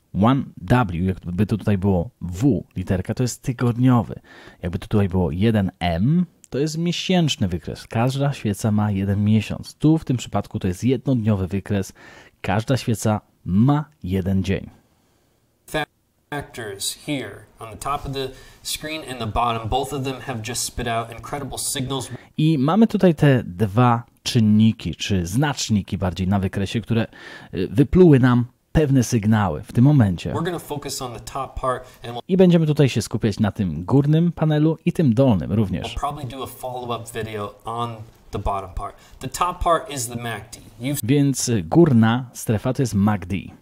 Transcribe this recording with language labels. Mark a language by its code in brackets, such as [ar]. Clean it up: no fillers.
[pl] One W, jakby to tutaj było W literka, to jest tygodniowy. Jakby to tutaj było 1M, to jest miesięczny wykres. Każda świeca ma jeden miesiąc. Tu w tym przypadku to jest jednodniowy wykres. Każda świeca ma jeden dzień. [en] Factors here on the top of the screen and the bottom, both of them have just spit out incredible signals. [pl] I mamy tutaj te dwa czynniki, czy znaczniki bardziej na wykresie, które wypluły nam pewne sygnały w tym momencie. [en] We're gonna focus on the top part and we'll... [pl] I będziemy tutaj się skupiać na tym górnym panelu i tym dolnym również. [en] We'll probably do a follow-up video on the bottom part. The top part is the MACD. You've... [pl] Więc górna strefa to jest MACD.